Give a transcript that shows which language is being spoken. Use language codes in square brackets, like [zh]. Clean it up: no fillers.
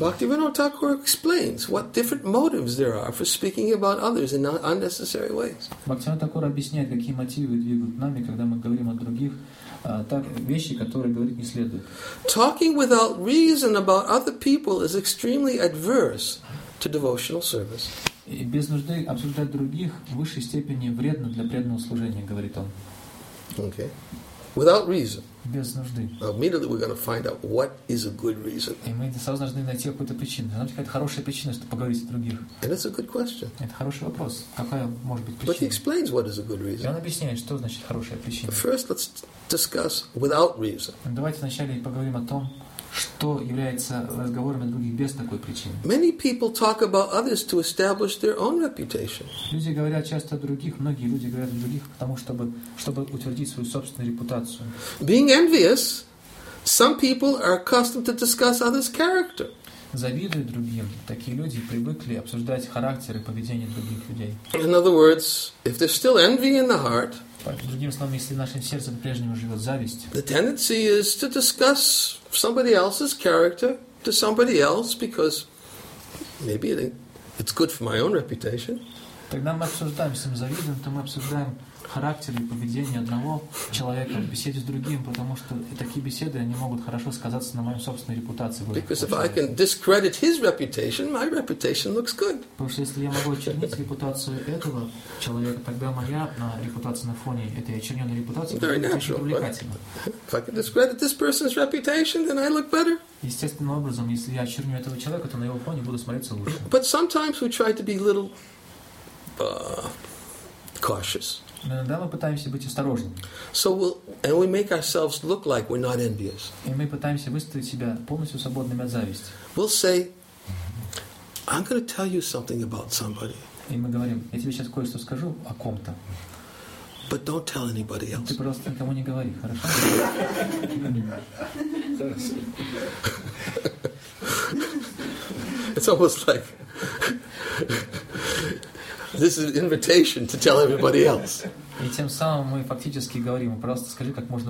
[en] Bhaktivinoda Thakur explains what different motives there are for speaking about others in unnecessary ways. [ru] Bhaktivinoda Thakur объясняет, какие мотивы двигают нами, когда мы говорим о других так, вещи, которые говорить не следует. [en] Talking without reason about other people is extremely adverse to devotional service. [ru] И без нужды обсуждать других в высшей степени вредно для преданного служения, говорит он. [en] Okay. Without reason. [ru] Без нужды. [en] Immediately we're going to find out what is a good reason. [ru] И мы сразу должны найти какую-то причину. Знаете, какая-то хорошая причина, чтобы поговорить о других. [en] And it's a good question. [ru] Это хороший вопрос. Какая может быть причина? [en] But he explains what is a good reason. [ru] И он объясняет, что значит хорошая причина. [en] First, let's discuss without reason. [ru] Давайте вначале поговорим о том, что является разговором о других без такой причины. [en] Many people talk about others to establish their own reputation. [ru] Люди говорят часто о других, многие люди говорят о других, потому чтобы утвердить свою собственную репутацию. [en] Being envious, some people are accustomed to discuss others' character. [ru] Завидуя другим, такие люди привыкли обсуждать характер и поведение других людей. [en] In other words, if there's still envy in the heart, [ru] другими словами, если в нашем сердце по-прежнему живет зависть, [en] the tendency is to discuss somebody else's character to somebody else because maybe it's good for my own reputation. [ru] Тогда мы обсуждаем с завистью, то мы обсуждаем характер и поведение одного человека в беседе с другим, потому что такие беседы они могут хорошо сказаться на моей собственной репутации. [en] Because if I can discredit his reputation, my reputation looks good. [ru] Потому что если я могу очернить репутацию этого человека, тогда моя репутация на фоне этой очерненной репутации будет очень привлекательна. [en] If I can discredit this person's reputation, then I look better. [ru] Естественным образом, если я очерню этого человека, то на его фоне буду смотреться лучше. [en] But sometimes we try to be a little cautious. [ru] Иногда мы пытаемся быть осторожными. [en] So we make ourselves look like we're not envious. [ru] И мы пытаемся выставить себя полностью свободными от зависти. [en] We'll say, I'm going to tell you something about somebody. [ru] И мы говорим, я тебе сейчас кое-что скажу о ком-то. [en] But don't tell anybody else. [ru] Ты просто никому не говори, хорошо? [en] It's almost like this is an invitation to tell everybody else. [ru] И тем самым мы фактически говорим, просто скажи как можно